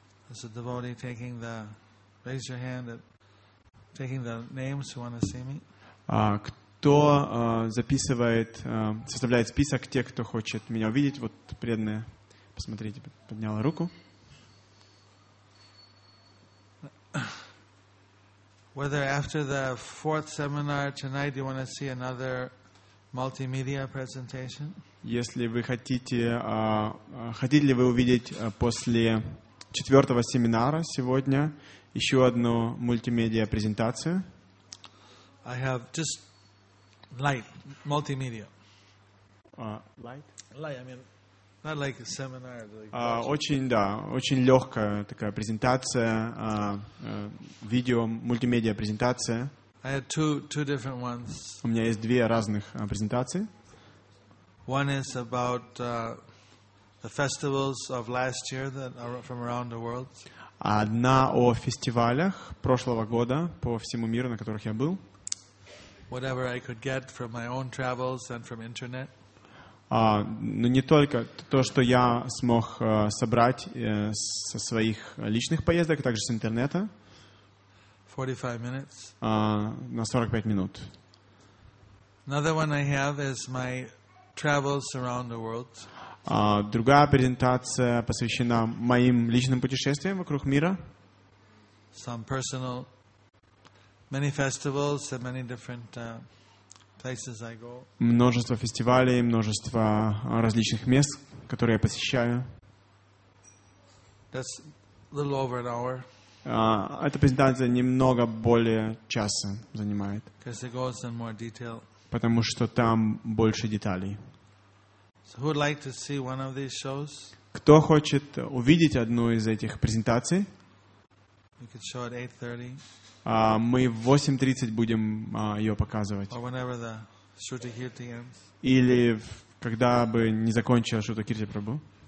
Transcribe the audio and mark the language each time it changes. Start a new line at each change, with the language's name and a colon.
English: Is a devotee taking the raise your hand at taking the names who want to see me?
Russian: Кто записывает, составляет список тех, кто хочет меня увидеть? Вот преданные, посмотрите, подняла руку.
English: Whether after the fourth seminar tonight you want to see another multimedia presentation?
Russian: Если вы хотите, хотите ли вы увидеть после четвертого семинара сегодня еще одну мультимедиа презентацию?
English: I have just light multimedia. Light? Light, I mean, not like a seminar. Like
Russian: очень, да, очень легкая такая презентация, видео, мультимедиа презентация.
English: I had two different ones.
Russian: У меня есть две разных презентации.
English: One is about the festivals of last year that are from around the world.
Russian: Одна о фестивалях прошлого года по всему миру, на которых я был.
English: Whatever I could get from my own travels and from internet.
Russian: Но не только то, что я смог собрать со своих личных поездок, а также с интернета.
English: 45 minutes.
Russian: На 45 минут.
English: Another one I have is my travels around the world.
Russian: Другая презентация посвящена моим личным путешествиям вокруг мира.
English: Some personal, many festivals and many different places I go.
Russian: Множество фестивалей, множество различных мест, которые я посещаю.
English: That's a little over an hour.
Russian: Эта презентация немного более часа занимает.
English: Because it goes in more detail.
Russian: Потому что там больше деталей.
English: So who would like to see one of these shows?
Russian: Кто хочет увидеть одну из этих презентаций?
English: We could show at 8:30.
Russian: Мы в 8:30 будем ее показывать.
English: Or whenever the Shruti Kirti ends.
Russian: Или когда бы не закончил Шрута Кирти Прабу.